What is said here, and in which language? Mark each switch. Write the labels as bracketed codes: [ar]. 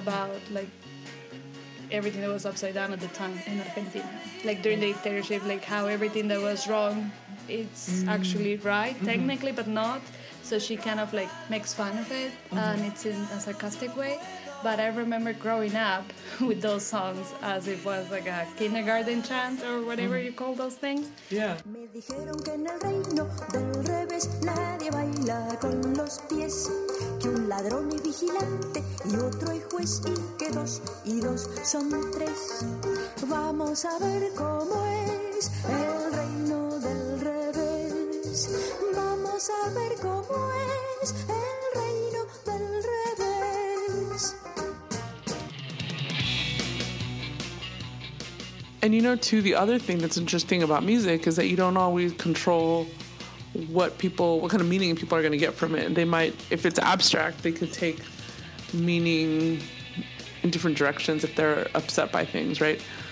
[en] about like everything that was upside down at the time in Argentina, like during the dictatorship, like how everything that was wrong it's mm-hmm. actually right mm-hmm. technically, but not. So she kind of like makes fun of it mm-hmm. and it's in a sarcastic way. But I remember growing up with those songs as it was like a kindergarten chant or whatever mm-hmm. you call those things. Yeah. [es] Me dijeron que en el reino del revés nadie baila con los pies, que un ladrón y vigilante y otro y juez, y dos son tres. Vamos a ver cómo es el reino del revés. Vamos a ver cómo es el reino del revés. [en] And you know, too, the other thing that's interesting about music is that you don't always control what kind of meaning people are going to get from it. And they might, if it's abstract, they could take meaning in different directions if they're upset by things, right?